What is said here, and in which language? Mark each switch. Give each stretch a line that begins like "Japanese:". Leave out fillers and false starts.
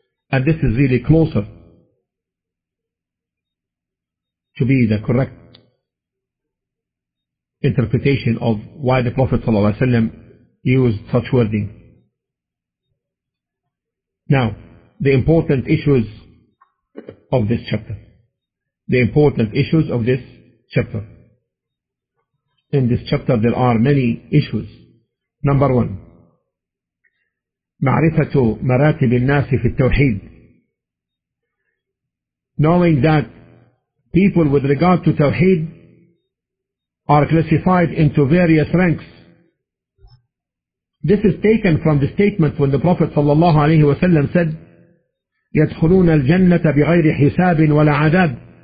English: And this is really closer to be the correct interpretation of why the Prophet ﷺ used such wording. Now, the important issues of this chapter. The important issues of this chapter. In this chapter there are many issues. Number one.
Arabic: معرفة مراتب الناس في التوحيد.
English: Knowing that people with regard to Tawheed are classified into various ranks. This is taken from the statement when the Prophet
Arabic: صلى الله عليه وسلم
English: said,
Arabic: يدخلون الجنة بغير حساب ولا عذاب.